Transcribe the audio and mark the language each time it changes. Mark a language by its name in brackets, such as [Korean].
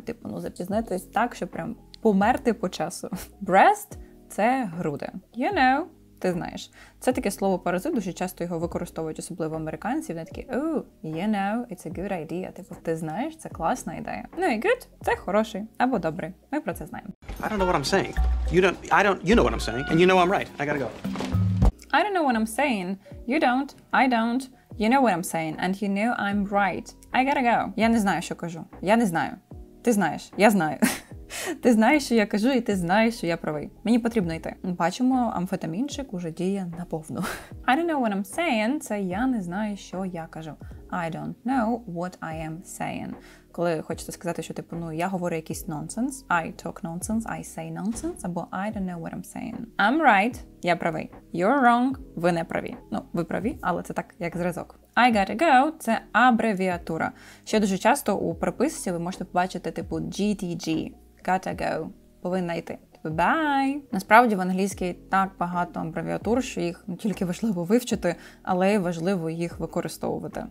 [Ukrainian] Типу, ну запізнитись так, що прям померти по часу. Breast – це груди. [English] You know, [Ukrainian] ти знаєш. Це таке слово-паразит, дуже часто його використовують, особливо американці. Вони такі, [English] oh, you know, it's a good idea. [Ukrainian] Типу, ти знаєш, це класна ідея. Ну і good – це хороший або добрий. Ми про це знаємо. [English] I don't know what I'm saying. You know what I'm saying, and you know I'm right. I gotta go. I don't know what I'm saying. You don't. I don't. You know what I'm saying, and you know I'm right. I gotta go. [Ukrainian] Я не знаю, що кажу. Я не знаю. Ти знаєш. Я знаю. Ти знаєш, що я кажу, і ти знаєш, що я правий. Мені потрібно йти. Бачимо, амфетамінчик уже діє наповну. [English] I don't know what I'm saying. [Ukrainian] Це я не знаю, що я кажу. [English] I don't know what I am saying. [Ukrainian] Коли хочете сказати, що типу, ну, я говорю якийсь нонсенс. [English] I talk nonsense, I say nonsense, або I don't know what I'm saying. I'm right, [Ukrainian] я правий. [English] You're wrong, [Ukrainian] ви не праві. Ну, ви праві, але це так, як зразок. [English] I gotta go [Ukrainian] – це абревіатура. Ще дуже часто у приписці ви можете побачити типу GTG. [English] Gotta go – [Ukrainian] повинна йти. [English] Bye. [Ukrainian] Насправді в англійській так багато абревіатур, що їх не тільки важливо вивчити, але й важливо їх використовувати.